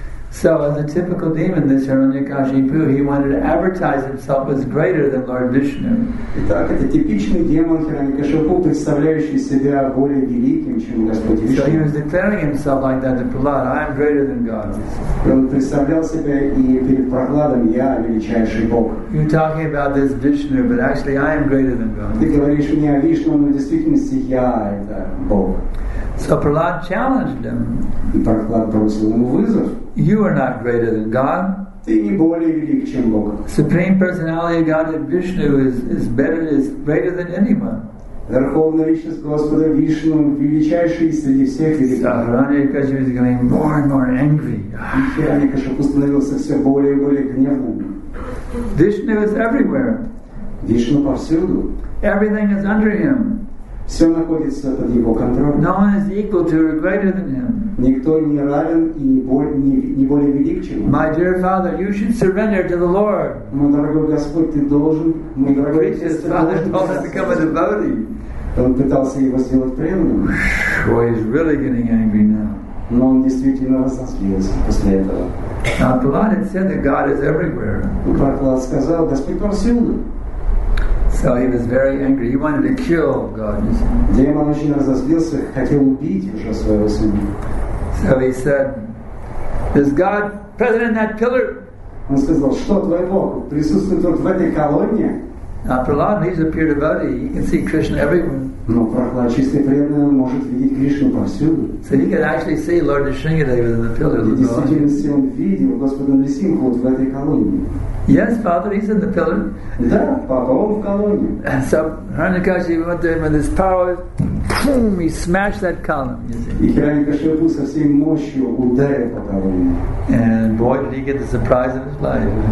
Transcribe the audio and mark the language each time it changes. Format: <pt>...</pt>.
<en>So as a typical demon, this Hiranyakashipu, he wanted to advertise himself as greater than Lord Vishnu.</en> <ru>Итак, это типичный демон Хиранякашипу, представляющий себя более великим, чем Господь Вишну.</ru> <en>So he was declaring himself like that to Prahlad, I am greater than God.</en> <ru>Он представлял себя и перед Прохладом, я величайший Бог.</ru> <en>You're talking about this Vishnu, but actually I am greater than God.</en> <ru>Ты говоришь мне о Вишну, но в действительности я это Бог.</ru> <en>So Prahlad challenged him.</en> <ru>И Прохлад бросил ему вызов.</ru> <en>You are not greater than God.</en> <ru>Ты не более велик, чем Бог.</ru> <en>Supreme personality of Godhead Vishnu is greater than anyone.</en> <ru>Верховная личность Господа Вишну величайший среди всех великих.</ru> <en>Hiranyakashipu is getting more and more angry.</en> <ru>Hiranyakashipu становился все более и более гневным.</ru> <en>Vishnu is everywhere.</en> <ru>Вишну повсюду.</ru> <en>Everything is under him.</en> <ru>Все находится под его контролем.</ru> <en>No one is equal to or greater than him.</en> <ru>Никто не равен и не более велик, чем он.</ru> <en>My dear father, you should surrender to the Lord.</en> <ru>Мой дорогой Господь, ты должен, мой дорогой Господь, он пытался его сделать преданным.</ru> <en>Boy, he's really getting angry now.</en> <ru>Но он действительно разозлился после этого.</ru> <en>Now, Prahlad said that God is everywhere.</en> <ru>Прохлад сказал, Господь повсюду.</ru> <en>So he was very angry. He wanted to kill God.</en> <ru>Демон очень разозлился, хотел убить уже своего сына.</ru> <en>So he said, "Is God present in that pillar?"</en> <ru>Он сказал, что твой Бог присутствует вот в этой колонне?</ru> <en>Now Prahlad, he's a pure devotee. He can see Krishna everywhere.</en> <ru>Но Прохлад, чистый преданный, может видеть Кришну повсюду.</ru> <en>So he could actually see Lord Нисингхадева in the pillar.</en> <ru>И действительно, он видел Господа Нисингха вот в этой колонне.</ru> <en>Yes, Father, he's in the pillar.</en> <ru>Да, папа, он в колонне.</ru> <en>And so Hiranyakashipu went there with his power. Boom, he smashed that column.</en> <ru>И Hiranyakashipu со всей мощью ударил по колонне.</ru> <en>And boy, did he get the surprise of his life.</en>